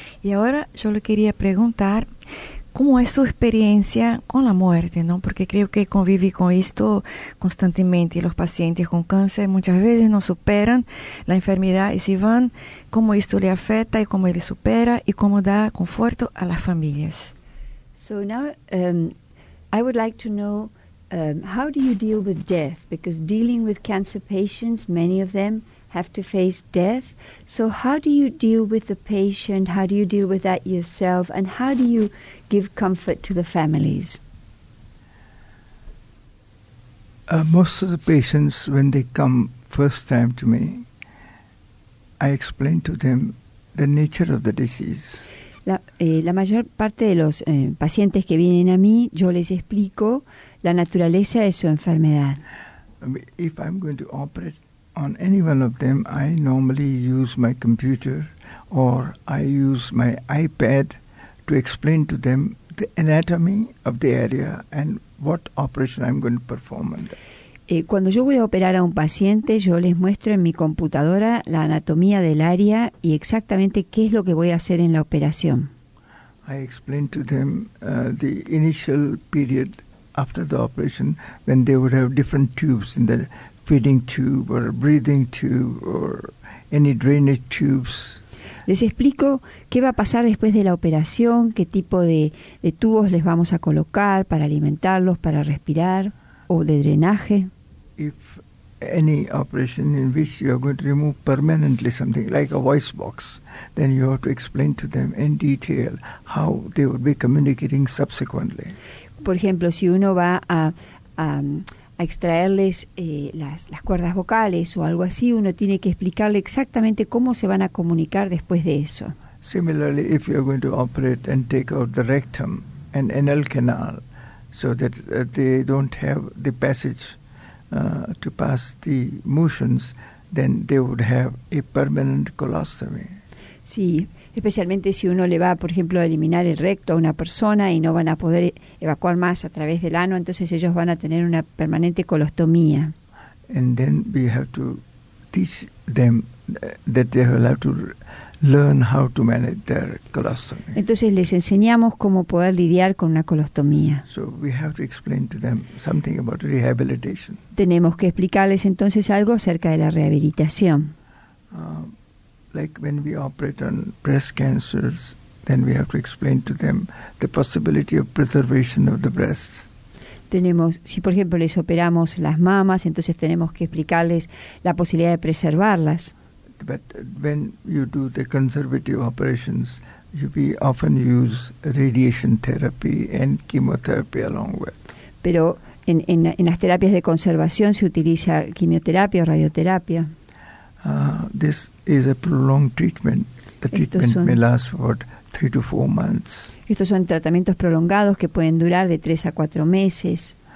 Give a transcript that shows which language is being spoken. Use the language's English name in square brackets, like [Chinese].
[Spanish] Y ahora yo le quería preguntar, ¿cómo es su experiencia con la muerte, ¿no? Porque creo que convive con esto constantemente. Los pacientes con cáncer muchas veces no superan la enfermedad. Y si van, ¿cómo esto le afecta y cómo él supera y cómo da conforto a las familias? [English] So now I would like to know, how do you deal with death? Because dealing with cancer patients, many of them have to face death. So how do you deal with the patient? How do you deal with that yourself? And how do you give comfort to the families? Most of the patients, when they come first time to me, I explain to them the nature of the disease. [Spanish] La mayor parte de los pacientes que vienen a mí, yo les explico la naturaleza de su enfermedad. [English] If I'm going to operate on any one of them, I normally use my computer or I use my iPad to explain to them the anatomy of the area and what operation I'm going to perform on them. [Spanish] Cuando yo voy a operar a un paciente, yo les muestro en mi computadora la anatomía del área y exactamente qué es lo que voy a hacer en la operación. [English] I explain to them the initial period after the operation when they would have different tubes in the feeding tube or breathing tube or any drainage tubes. [Spanish] Les explico qué va a pasar después de la operación, qué tipo de tubos les vamos a colocar para alimentarlos, para respirar o de drenaje. [English] If any operation in which you are going to remove permanently something like a voice box, then you have to explain to them in detail how they will be communicating subsequently. [Spanish] Por ejemplo, si uno va a extraerles las cuerdas vocales o algo así, uno tiene que explicarle exactamente cómo se van a comunicar después de eso. [English] Similarly, if you are going to operate and take out the rectum and anal canal, so that they don't have the passage to pass the motions, then they would have a permanent colostomy. [Spanish] Sí, especialmente si uno le va, por ejemplo, a eliminar el recto a una persona y no van a poder evacuar más a través del ano, entonces ellos van a tener una permanente colostomía. [English] And then we have to teach them that they will have to learn how to manage their colostomy. [Spanish] Entonces les enseñamos cómo poder lidiar con una colostomía. [English] So we have to explain to them something about rehabilitation. [Spanish] Tenemos que explicarles entonces algo acerca de la rehabilitación. [English] Like when we operate on breast cancers, then we have to explain to them the possibility of preservation of the breasts. [Spanish] Tenemos, si por ejemplo les operamos las mamas, entonces tenemos que explicarles la posibilidad de preservarlas. [English] But when you do the conservative operations, we often use radiation therapy and chemotherapy along with. [Spanish] Pero en las terapias de conservación se utiliza quimioterapia o radioterapia. [English] This is a prolonged treatment. The treatment may last for 3 to 4 months. [Spanish] Estos son tratamientos prolongados que pueden durar de 3 a 4 meses.